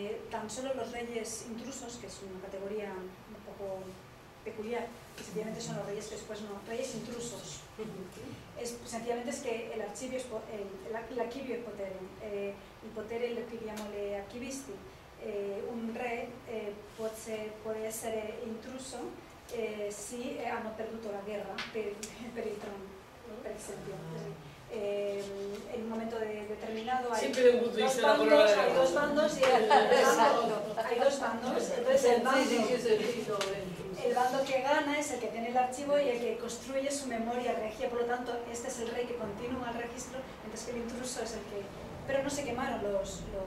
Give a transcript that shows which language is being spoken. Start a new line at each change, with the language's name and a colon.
Spanish: Tan solo los reyes intrusos, que es una categoría un poco peculiar, que sencillamente son los reyes que después no, reyes intrusos. Sencillamente es que el archivio, el archivio
Italian: es potere, el potere
Spanish: lo que llamamos le archivisti. Un rey puede ser intruso
Italian: sì, hanno perduto la guerra per il trono, per esempio.
Spanish: En un momento determinado hay dos bandos y hay dos bandos, entonces el bando que gana es el que tiene el archivo y el que construye su memoria regia, por lo tanto este es el rey que continúa el registro, mientras que el intruso es el que, pero no se quemaron los